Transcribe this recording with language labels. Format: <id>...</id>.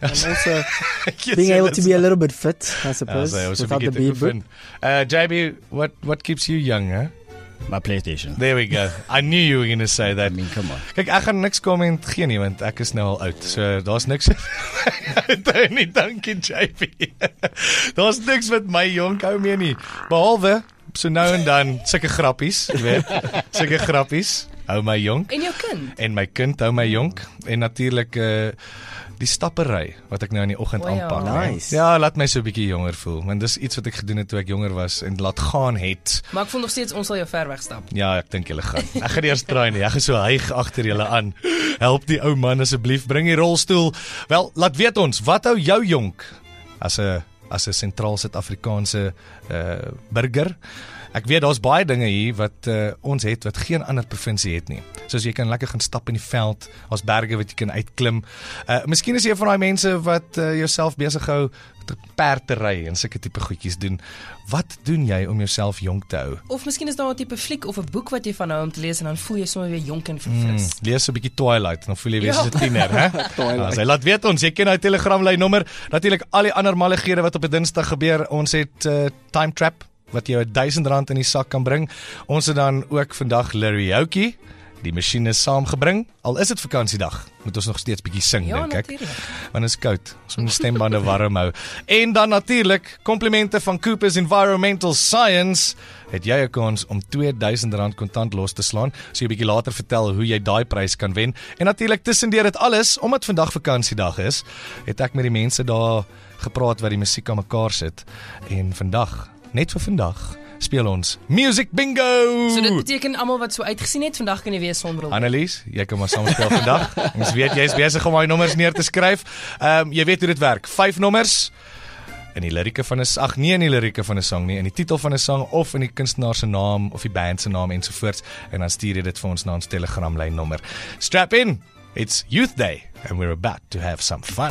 <en>And also being able to be a little bit fit, I suppose. Without the beer boot. JB, what keeps you young, huh? My PlayStation. There we go. I knew you were going to say that. I mean, come on.</en> <af>Kijk, ek gaan niks comment gee nie, want ek is nou al oud. So, daar's niks. Tony, dankie, JP. Daar's niks met my jonk hou mee nie. Behalwe, so nou en dan, sulke grappies, jy weet. Sulke grappies hou my jonk. En jou kind. En my kind hou my jonk. En natuurlik, die stappery wat ek nou in die oggend aanpak. Nice. Ja, laat my so 'n bietjie jonger voel. Want dis iets wat ek gedoen het toe ek jonger was en laat gaan het. Maar ek voel nog steeds ons sal jou ver wegstap. Ja, ek dink julle gaan. Ek gaan eers try nie. Ek gaan so hyg agter julle aan. Help die ou man asseblief, bring die rolstoel. Wel, laat weet ons, wat hou jou jonk? As 'n sentraal Suid-Afrikaanse burger. Ek weet daar's baie dinge hier wat ons het wat geen ander provinsie het nie. Soos jy kan lekker gaan stap in die veld, daar's berge wat jy kan uitklim. Miskien is jy van daai mense wat jouself besig hou met perdery en sulke tipe goedjies doen. Wat doen jy om jouself jonk te hou? Of miskien is daar 'n tipe fliek of 'n boek wat jy van hou om te lees en dan voel jy sommer weer jonk en verfris. Lees so 'n bietjie Twilight en dan voel jy weer soos 'n tiener, hè? Twilight. Nou, laat weet ons, jy ken daai telegramlyn nommer. Natuurlik al die ander malligere wat op 'n Dinsdag gebeur. Ons het Time Trap wat jou R1000 in die sak kan bring. Ons het dan ook vandag Larry Hoekie, die masjiene saamgebring. Al is het vakansiedag, moet ons nog steeds bietjie sing, ja, denk ek. Natuurlijk. Want is koud, ons moet stembande warm hou. En dan natuurlijk, complimente van Coopers Environmental Science, het jy ook ons om R2000 kontant los te slaan, so jy bietjie later vertel hoe jy daai prys kan wen. En natuurlijk, tussendeur het alles, omdat vandag vakansiedag is, het ek met die mense daar gepraat waar die muziek aan mekaar sit. En vandag, net vir vandag, speel ons Music Bingo! So dit beteken allemaal wat so uitgesien het, vandag kan jy weer sonder. Annelies, jy kan maar samen speel vandag. Ons weet, jy is bezig om my nommers neer te skryf. Jy weet hoe dit werk. 5 nommers, in die lirieke van een sang, nie in die lirieke van een sang nie, in die titel van een sang, of in die kunstenaarse naam, of die bandse naam, enzovoorts. En dan stuur jy dit vir ons na ons telegramlijn nommer.</af> <en>Strap in! It's Youth Day, and we're about to have some fun.</en>